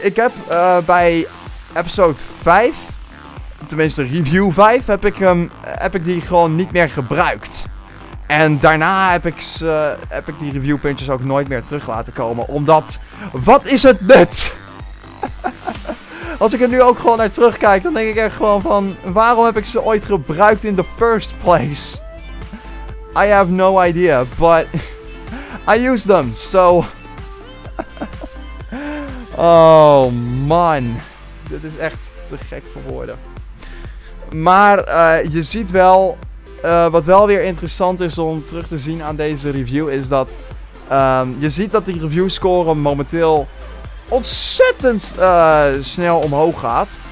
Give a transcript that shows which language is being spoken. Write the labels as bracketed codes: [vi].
[nl] Ik heb bij episode 5... Tenminste, review 5 heb ik die gewoon niet meer gebruikt. En daarna heb ik die reviewpuntjes ook nooit meer terug laten komen. Omdat, wat is het nut? Als ik er nu ook gewoon naar terugkijk, dan denk ik echt gewoon van... Waarom heb ik ze ooit gebruikt [en] in the first place? I have no idea, but I use them, so... [nl] Oh man, dit is echt te gek voor woorden. Maar je ziet wel, wat wel weer interessant is om terug te zien aan deze review, is dat je ziet dat die review score momenteel ontzettend snel omhoog gaat.